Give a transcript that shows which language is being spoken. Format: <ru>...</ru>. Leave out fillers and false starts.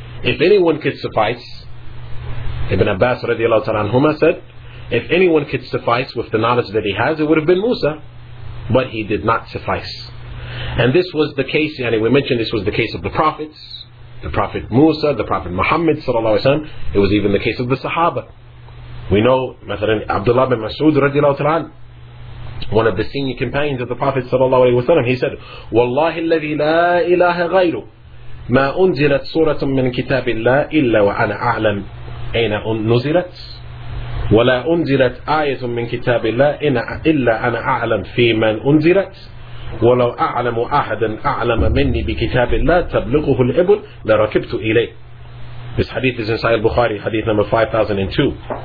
<en>If anyone could suffice, Ibn Abbas radiallahu ta'ala anhuma said, if anyone could suffice with the knowledge that he has, it would have been Musa. But he did not suffice. And this was the case, and we mentioned this was the case of the prophets, the Prophet Musa, the Prophet Muhammad sallallahu alayhi wa sallam. It was even the case of the Sahaba. We know,</en> <ar>مثلاً,</ar> <en>Abdullah bin Mas'ud radiallahu ta'ala, one of the senior companions of the Prophet sallallahu alayhi wa sallam, he said,</en> <ar>وَاللَّهِ الَّذِي لَا إِلَهَ غَيْرُ مَا أُنزِلَتْ سُورَةٌ مِّن كِتَابِ اللَّهِ إِلَّا وَأَنَا أَعْلَمْ أَيْنَ نُزِلَتْ وَلَا أُنزِلَتْ آيَةٌ مِّن كِتَابِ اللَّهِ إِلَّا أَنَا أَعْلَمْ فِي مَنْ أُنزِلَتْ وَلَوْ أَعْلَمُ أَحَدًا أَعْلَمَ مِنِّي بِكِتَابِ اللَّهِ تَبْلُغُهُ الْإِبُلْ لَرَكِبْتُ إِلَيْهِ.</ar> <en>This hadith is in Sahih Bukhari, hadith number 5002.</en>